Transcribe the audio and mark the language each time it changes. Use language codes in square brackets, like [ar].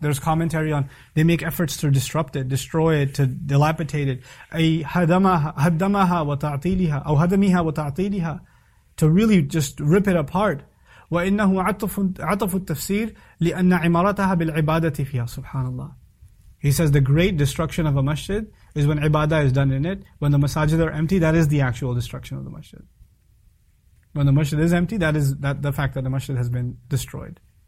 [en] There's commentary on, they make efforts to disrupt it, destroy it, to dilapidate it. [ar] أي هَدَمَهَا وَتَعْطِيلِهَا أو هَدَمِهَا وَتَعْطِيلِهَا. [en] To really just rip it apart. [ar] وَإِنَّهُ عَطَفُ التَّفْسِيرِ لِأَنَّ عِمَارَتَهَا بِالْعِبَادَةِ فِيهَا. Subhanallah. [en] He says the great destruction of a masjid is when ibadah is done in it. When the masajid are empty, that is the actual destruction of the masjid. When the masjid is empty, that is that the fact that the masjid has been destroyed.